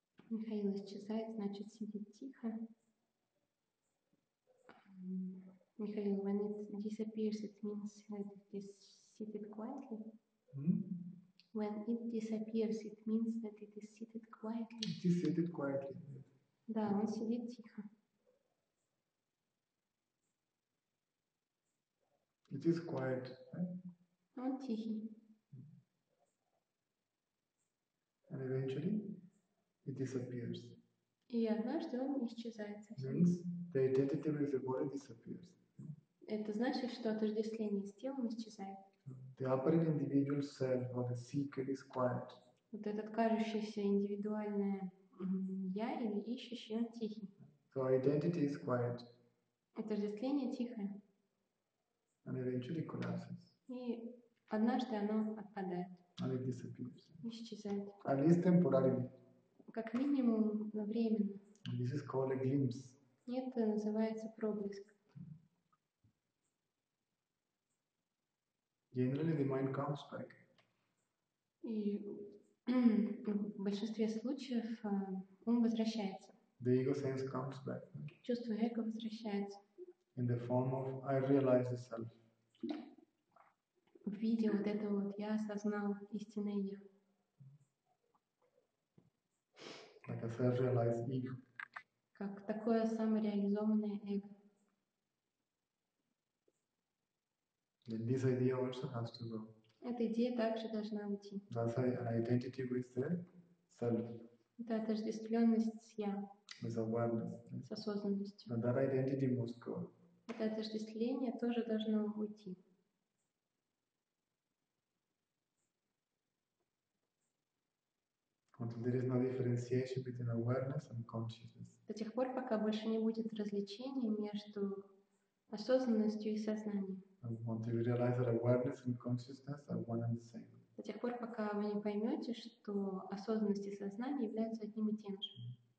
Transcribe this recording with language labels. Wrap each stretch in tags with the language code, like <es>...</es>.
<ru>Михаил исчезает, значит, сидит тихо.</ru> <en>Михаил, when it disappears, it means that it is seated quietly. Mm-hmm. When it disappears, it means that it is seated quietly. It is seated quietly.</en> <ru>Да, он сидит тихо.</ru> <en>It is quiet, right?</en> <ru>Он тихий.</ru> <en>And eventually? It disappears.</en> <ru>И однажды он исчезает.</ru> <en>Means the identity with the body disappears.</en> <ru>Это значит, что отождествление с телом исчезает.</ru> <en>The apparent individual self or the seeker is quiet.</en> <ru>Вот этот кажущийся индивидуальное я или ищущий, он тихий.</ru> <en>So identity is quiet.</en> <ru>Отождествление тихое.</ru> <en>And eventually collapses.</en> <ru>И однажды оно отпадает.</ru> <en>And it disappears.</en> <ru>Исчезает.</ru> <en>At least temporarily.</en> <ru>Как минимум, но временно.</ru> <en>This is called a glimpse.</en> <ru>Это называется проблеск.</ru> <en>Generally, the mind comes back.</en> <ru>И в большинстве случаев ум возвращается.</ru> <en>The ego sense comes back.</en> <ru>Чувство эго возвращается.</ru> <en>In the form of I realize the self.</en> <ru>В виде вот этого вот я осознал истинное я.</ru> <en>Like a self-realized ego.</en> <ru>Как такое самореализованное эго.</ru> <en>Then this idea also has to go.</en> <ru>Эта идея также должна уйти.</ru> <en>That's an identity with the self.</en> <ru>Это отождествленность с я.</ru> <en>With awareness.</en> <ru>С осознанностью.</ru> <en>And that identity must go.</en> <ru>Это отождествление тоже должно уйти.</ru> <en>Until there is no differentiation between awareness and consciousness.</en> <ru>До тех пор, пока больше не будет различений между осознанностью и сознанием.</ru> <en>Until you realize that awareness and consciousness are one and the same.</en> <ru>До тех пор, пока вы не поймете, что осознанность и сознание являются одним и тем же.</ru>